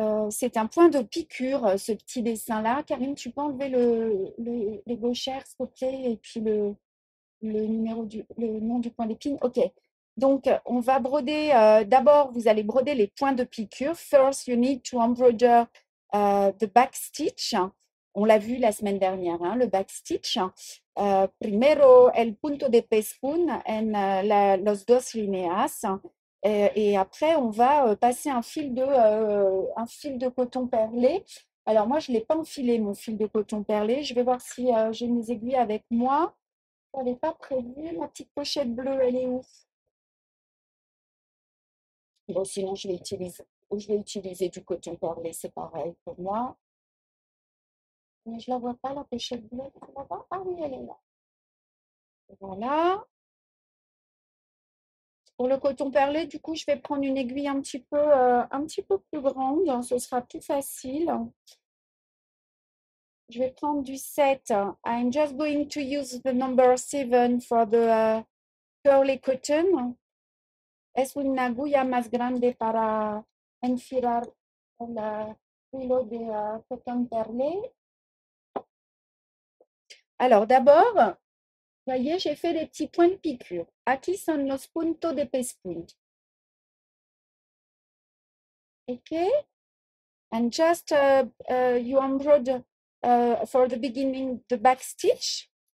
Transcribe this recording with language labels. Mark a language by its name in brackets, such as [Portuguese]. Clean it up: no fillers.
[French] C'est un point de piqûre, ce petit dessin-là. Karine, tu peux enlever les gauchères, s'il te plaît, et puis le nom du point d'épine. OK. Donc, on va broder. D'abord, vous allez broder les points de piqûre. [English] First, you need to embroider the backstitch. [French] On l'a vu la semaine dernière, hein, le backstitch. [Spanish] Primero, el punto de pespun en los dos lineas. [French] Et après, on va passer un fil de coton perlé. Alors, moi, je ne l'ai pas enfilé, mon fil de coton perlé. Je vais voir si j'ai mes aiguilles avec moi. Je n'avais pas prévu. Ma petite pochette bleue, elle est où? Bon, sinon, je vais utiliser du coton perlé. C'est pareil pour moi. Mais je ne la vois pas, la pochette bleue. Ah oui, elle est là. Voilà. Pour le coton perlé, du coup, je vais prendre une aiguille un petit peu plus grande. Ce sera plus facile. Je vais prendre du 7. [English] I'm just going to use the number 7 for the curly cotton. [Spanish] Es una aguja más grande para enfilar el hilo de coton perlé. [French] Alors, d'abord... Vous voyez, j'ai fait des petits points de piqûre. [Spanish] Aquí son los puntos de pespun. [English] OK. And just you embroider for the beginning the back stitch.